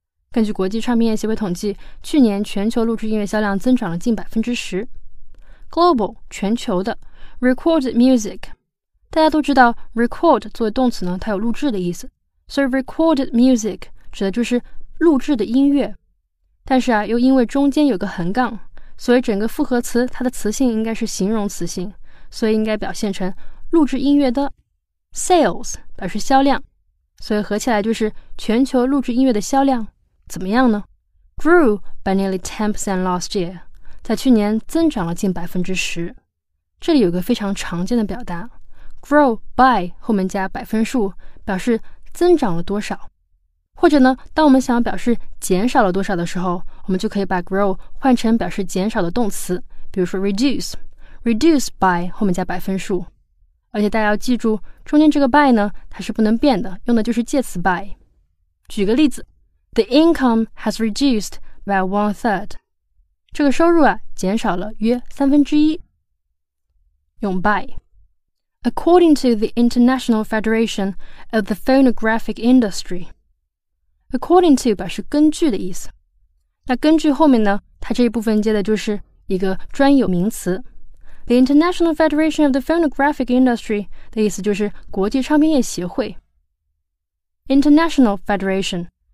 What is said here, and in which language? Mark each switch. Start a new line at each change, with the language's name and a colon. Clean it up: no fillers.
Chinese: 根据国际唱片业协会统计，去年全球录制音乐销量增长了近 10%。
English: Global,
Chinese: 全球的
English: recorded music.
Chinese: 大家都知道 record 作为动词呢，它有录制的意思。所以
English: recorded music,
Chinese: 指的就是录制的音乐，但是啊，又因为中间有个横杠，所以整个复合词它的词性应该是形容词性，所以应该表现成录制音乐的 sales 表示销量，所以合起来就是全球录制音乐的销量怎么样呢？
English: Grew by nearly 10% last year,
Chinese: 在去年增长了近 10%。这里有个非常常见的表达， grow by 后面加百分数，表示增长了多少，或者呢，当我们想要表示减少了多少的时候，我们就可以把 grow 换成表示减少的动词，比如说 reduce, reduce by 后面加百分数。而且大家要记住，中间这个 by 呢，它是不能变的，用的就是介词 by。举个例子，
English: The income has reduced by 1/3.
Chinese: 这个收入啊，减少了约三分之一。用 by。
English: According to the International Federation of the Phonographic Industry,
Chinese: According to 表示根据的意思，那根据后面呢，它这一部分接的就是一个专有名词。
English: The International Federation of the Phonographic Industry
Chinese: 的意思就是国际唱片业协会。
English: International Federation